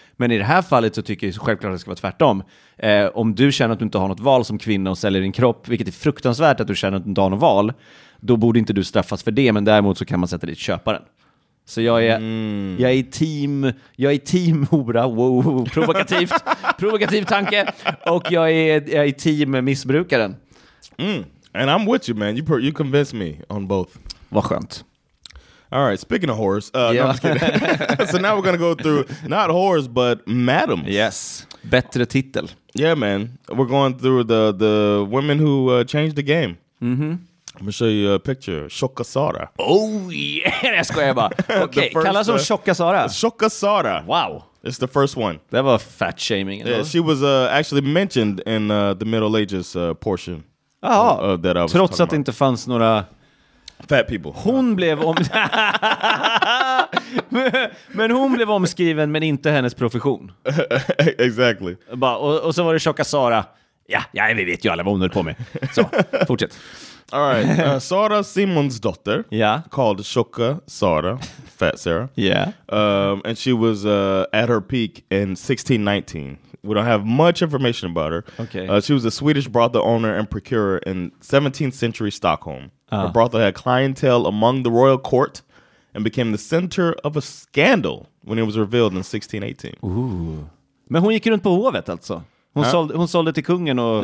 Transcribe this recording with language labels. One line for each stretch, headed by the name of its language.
Swedish: Men i det här fallet så tycker jag självklart att det ska vara tvärtom. Om du känner att du inte har något val som kvinna och säljer din kropp, vilket är fruktansvärt att du känner att du inte har något val, då borde inte du straffas för det, men däremot så kan man sätta dit köparen. Så jag är, jag är team hora, wow, provokativt, provokativ tanke. Och jag är team missbrukaren.
English: Mm. And I'm with you, man. You convinced me on both.
Swedish: Vad skönt.
English: All right, speaking of whores, no, I'm just kidding. So now we're going to go through, not whores, but madams.
Swedish: Yes, bättre titel.
English: Yeah, man, we're going through the women who changed the game. Mm-hmm. I'm going to show you a picture, Tjocka Sara.
Swedish: Oh, yeah, jag skojar bara. Okej, okay, kallas hon Tjocka Sara? Tjocka Sara.
English: Wow. It's the first one. That was fat shaming. Yeah, she was actually mentioned in the Middle Ages portion.
Swedish: Jaha, trots att det inte fanns några...
English: Fat people.
Swedish: Hon blev men hon blev omskriven, men inte hennes profession.
English: Exactly.
Swedish: Och så var det Tjocka Sara. Ja, vi vet ju alla vad hon höll på med. Så, fortsätt.
English: All right. Sara Simons dotter. Yeah. Called Tjocka Sara, Fat Sarah. Yeah. And she was at her peak in 1619. We don't have much information about her. Okay. She was a Swedish brothel owner and procurer in 17th century Stockholm. Her brothel had clientele among the royal court and became the center of a scandal when it was revealed in 1618. Ooh.
Swedish: Men hon gick runt på hovet alltså. Hon sålde till kungen och...